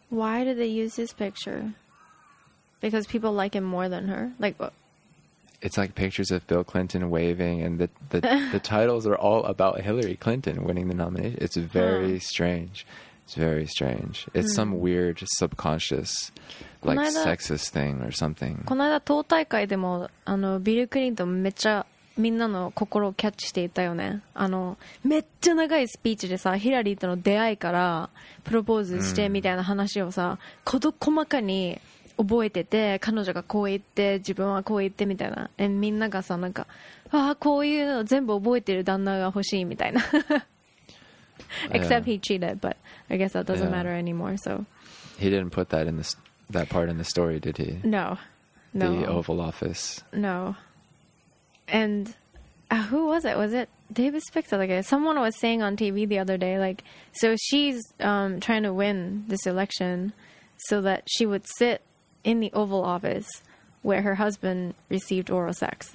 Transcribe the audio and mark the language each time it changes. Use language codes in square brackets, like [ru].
[en] Why did they use this picture? Because people like him more than her? Like, what? It's like pictures of Bill Clinton waving, and the titles are all about Hillary Clinton winning the nomination. It's very strange. It's very strange. It's some weird subconscious, like, sexist thing or something. [ja] この間、党大会でも、あの、ビル・クリントンめっちゃみんなの心をキャッチしていたよね。あの、めっちゃ長いスピーチでさ、ヒラリーとの出会いからプロポーズしてみたいな話をさ、こと細かに覚えてて、彼女がこう言って、自分はこう言ってみたいな。え、みんながさ、なんか、ああ、こういうの全部覚えてる旦那が欲しいみたいな。 [en] Except he cheated, but I guess that doesn't matter anymore. So he didn't put that in the that part in the story, did he? No, no. The Oval Office. No. And who was it? Was it David Spector? Like, someone was saying on TV the other day, like, so she's trying to win this election so that she would sit in the Oval Office where her husband received oral sex.